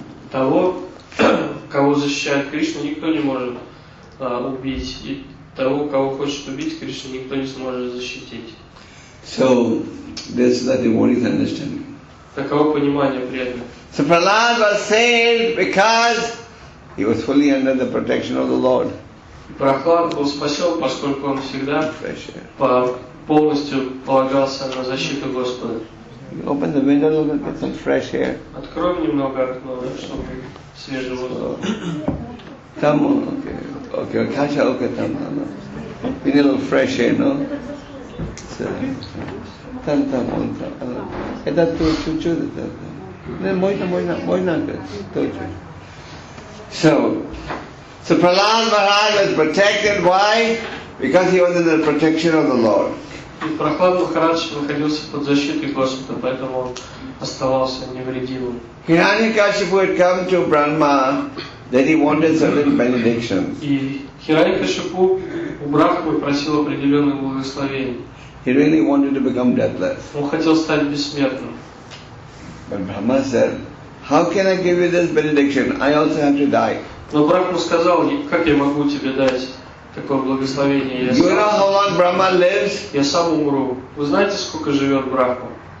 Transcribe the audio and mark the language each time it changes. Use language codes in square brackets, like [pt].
[ru] Того, кого защищает Кришна, никто не может убить. И того, кого хочет убить Кришна, никто не сможет защитить. [en] So, this is the devotee's understanding. [ru] Таково понимание преданного. [en] So Prahlad was saved because he was fully under the protection of the Lord. [ru] Прохлад был спасен, поскольку он всегда полностью полагался на защиту Господа. [en] You open the window, look and get some fresh air. [ru] Откроем немного окно, чтобы свежий воздух. [en] Там, okay, Каша, okay, там, okay, no. We need a little fresh air, no? [ru] So, там, там, вон там. Это тут чуть-чуть, это там. Не, можно, можно, можно, тут чуть. [en] So, so Prahlad Maharaj was protected. Why? Because he was under the protection of the Lord. [ru] И Прохлад Махарадж находился под защитой Господа, поэтому он оставался невредимым. [en] Хираньякашипу had come to Brahma that he wanted certain benedictions. [ru] И Хираньякашипу у Брахмы просил определенных благословений. [en] He really wanted to become deathless. [ru] Он хотел стать бессмертным. [en] But Brahma said, "How can I give you this benediction? I also have to die." [ru] Но Брахма сказал, как я могу тебе дать такое благословение? Я [en] you know how long Brahma lives? [ru] Я сам умру. Вы знаете, сколько живет Брахма?